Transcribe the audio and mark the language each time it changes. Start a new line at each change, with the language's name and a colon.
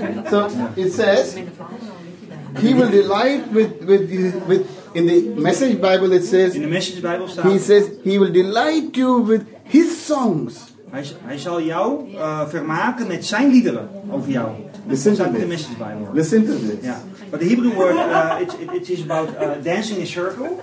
English: So it says he will delight with in the Message Bible it says in the Message Bible he says he will delight you with his songs.
Dutch: Hij zal jou vermaken met zijn liederen over jou.
English: Listen to the Message Bible. Listen to this. Yeah. But the Hebrew word, it is about dancing in a circle.